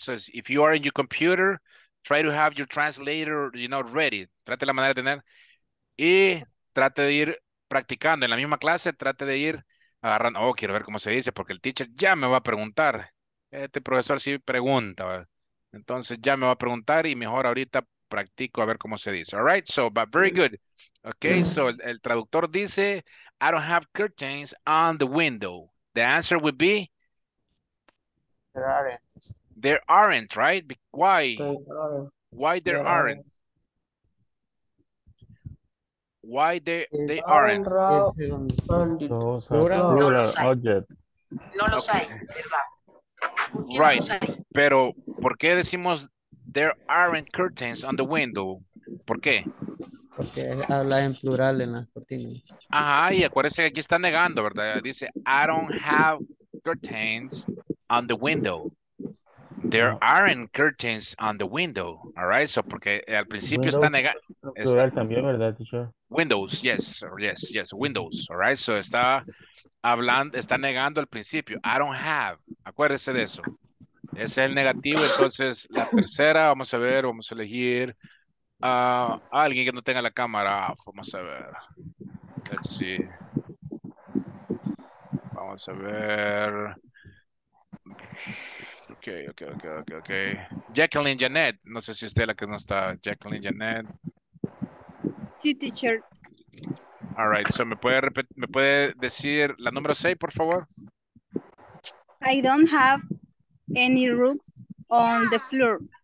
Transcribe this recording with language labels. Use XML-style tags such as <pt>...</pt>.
<en>So if you are in your computer, try to have your translator, you know, ready.</en> <es>Trate la manera de tener. Y trate de ir practicando. En la misma clase, trate de ir agarrando. Oh, quiero ver cómo se dice, porque el teacher ya me va a preguntar. Este profesor sí pregunta. Entonces ya me va a preguntar y mejor ahorita practico a ver cómo se dice. All right.</es> <en>So, but very good. Okay. So el traductor dice, I don't have curtains on the window. The answer would be? There aren't. There aren't, right? Why? Why there aren't? Why they aren't?</en> <es>No los hay. No los hay. Right. Pero, ¿por qué decimos there aren't curtains on the window? ¿Por qué? Porque habla en plural en las cortinas. Ajá, y acuérdense que aquí está negando, ¿verdad?</es> <en>Dice, I don't have curtains on the window. There aren't curtains on the window, all right?</en> <es>So, porque al principio window, está negando. Plural también, ¿verdad, teacher?</es> <en>Windows, yes, yes, yes, windows, all right? So, está hablando, está negando al principio.</en> <es>I don't have, acuérdese de eso. Ese es el negativo, entonces, la tercera, vamos a ver, vamos a elegir. Alguien que no tenga la cámara, vamos a ver. Let's see. Vamos a ver. Okay, okay, okay, okay, okay. Jacqueline Janet, no sé si usted la que no está. Jacqueline Janet. Sí, teacher. All right, so me puede decir la número 6, por favor?</es> <en>I don't have any rugs on the floor.</en>